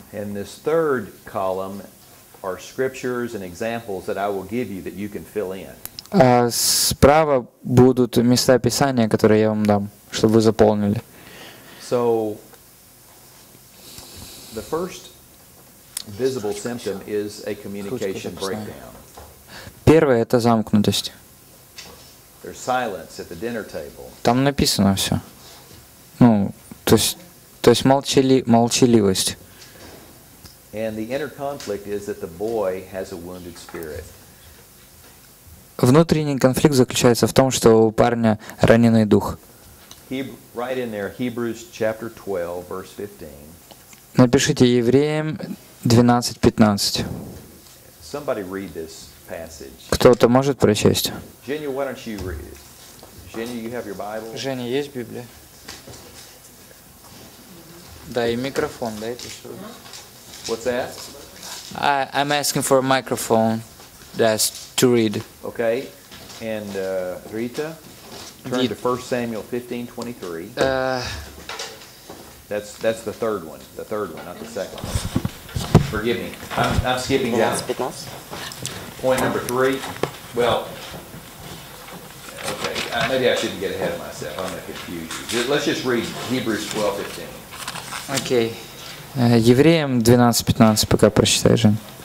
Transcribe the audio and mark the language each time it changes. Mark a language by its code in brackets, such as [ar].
[en] And this third column are scriptures and examples that I will give you that you can fill in. [ru] А справа будут места Писания, которые я вам дам, чтобы вы заполнили. [en] So, the first visible symptom is a communication breakdown. [ru] Первое — это замкнутость. [en] There's silence at the dinner table. [ru] Там написано все. Ну, то есть молчаливость. [en] And the inner conflict is that the boy has a wounded spirit. [ru] Внутренний конфликт заключается в том, что у парня раненый дух. [en] Right in there, Hebrews chapter 12, verse 15. [ru] Напишите Евреям 12:15. [en] Somebody read this passage. [ru] Кто-то может прочесть? [en] Женя, why don't you read it? Женя, you have your Bible? [ru] Женя, есть Библия? Да, и микрофон, да, это все. [en] What's that? I'm asking for a microphone. That's to read. Okay. And Rita, turn to 1 Samuel 15:23. That's the third one. The third one, not the second one. Forgive me. I'm skipping down. Point number three. Well, okay. Maybe I shouldn't get ahead of myself. I'm going to confuse you. Let's just read Hebrews 12:15. Okay. [ru] Евреям 12:15, пока прочитаешь, Жень.